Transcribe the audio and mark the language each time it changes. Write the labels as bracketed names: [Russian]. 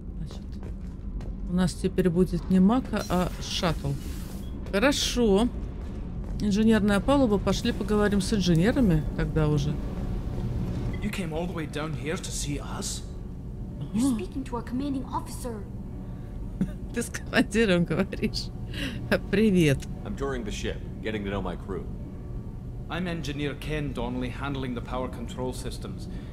[Russian] Значит, у нас теперь будет не Мака, а шаттл. Хорошо. Инженерная палуба. Пошли поговорим с инженерами тогда уже. [English] You came all the way down here to see us? You're speaking to our commanding officer. [Russian] Ты с командиром говоришь. Привет. [English] I'm touring the ship, getting to know my crew. I'm engineer Ken Donnelly, handling the power control systems.